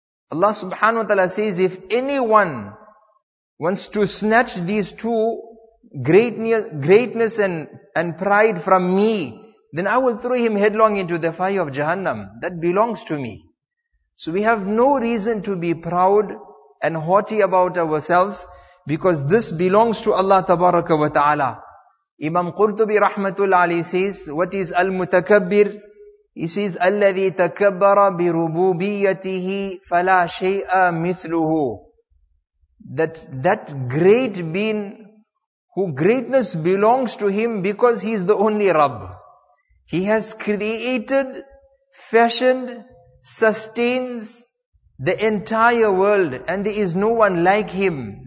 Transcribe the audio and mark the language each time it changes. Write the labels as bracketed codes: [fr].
[en] Allah subhanahu wa ta'ala says, if anyone wants to snatch these two greatness and pride from me, then I will throw him headlong into the fire of Jahannam. That belongs to me. So we have no reason to be proud and haughty about ourselves, because this belongs to Allah tabaraka wa ta'ala. Imam Qurtubi Rahmatul Ali says, what is Al-Mutakabbir? He says, [ar] الَّذِي تَكَبَّرَ بِرُبُوبِيَّتِهِ فَلَا شَيْءَ مِثْلُهُ. [en] That great being, who greatness belongs to him because he is the only Rabb. He has created, fashioned, sustains, the entire world, and there is no one like him.